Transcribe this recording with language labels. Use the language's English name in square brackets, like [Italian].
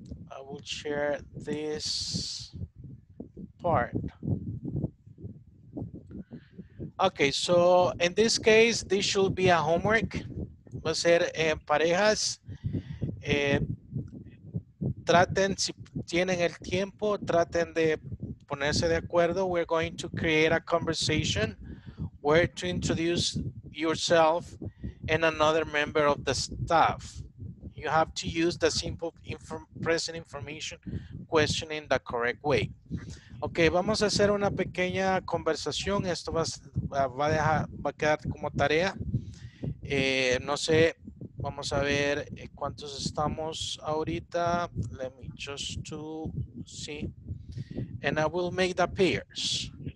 [English] I will share this part. Okay, so in this case, this should be a homework. [Spanish] Va a ser en parejas. Traten, si tienen el tiempo, traten de ponerse de acuerdo. [English] We're going to create a conversation where to introduce yourself and another member of the staff. You have to use the simple present information question in the correct way. [Spanish] Okay, vamos a hacer una pequeña conversación. Esto va a quedar como tarea. No sé, vamos a ver cuántos estamos ahorita. [English] Let me just to see. And I will make the pairs.